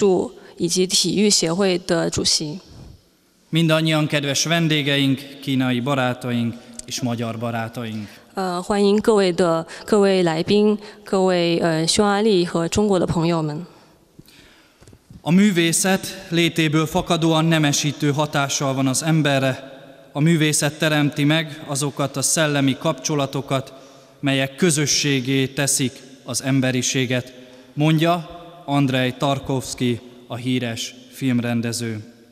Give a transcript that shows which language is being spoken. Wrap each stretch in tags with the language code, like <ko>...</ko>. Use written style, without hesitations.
<zh>尊敬的魏翔先生，是维克国际文化与艺术以及体育协会的主席。</zh> <hu>Mindannyian kedves vendégeink, kínai barátaink és magyar barátaink.</hu> <zh>欢迎各位来宾，各位匈牙利和中国的朋友们。</zh> <hu>A művészet létéből fakadóan nemesítő hatással van az emberre. A művészet teremti meg azokat a szellemi kapcsolatokat, melyek közösségé teszik az emberiséget, mondja Andrej Tarkovszky, a híres filmrendező.</hu>